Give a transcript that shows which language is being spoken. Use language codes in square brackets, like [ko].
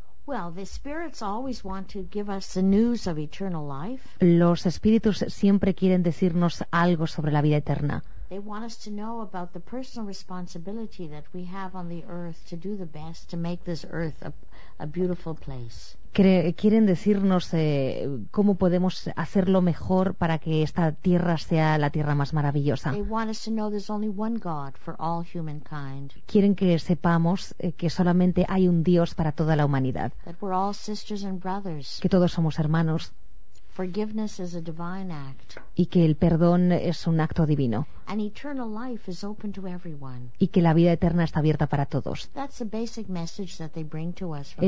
[en] Well, the spirits always want to give us the news of eternal life. [es] Los espíritus siempre quieren decirnos algo sobre la vida eterna. [en] They want us to know about the personal responsibility that we have on the earth to do the best to make this earth a beautiful place. [es] Quieren decirnos cómo podemos hacerlo mejor para que esta tierra sea la tierra más maravillosa. [en] They want us to know there's only one God for all humankind. [es] Quieren que sepamos que solamente hay un Dios para toda la humanidad. [en] That we're all sisters and brothers. [es] Que todos somos hermanos. [en] Forgiveness is a divine act. [es] Y que el perdón es un acto divino. [en] And eternal life is open to everyone. [es] Y que la vida eterna está abierta para todos. [en] That's the basic message that they bring to us from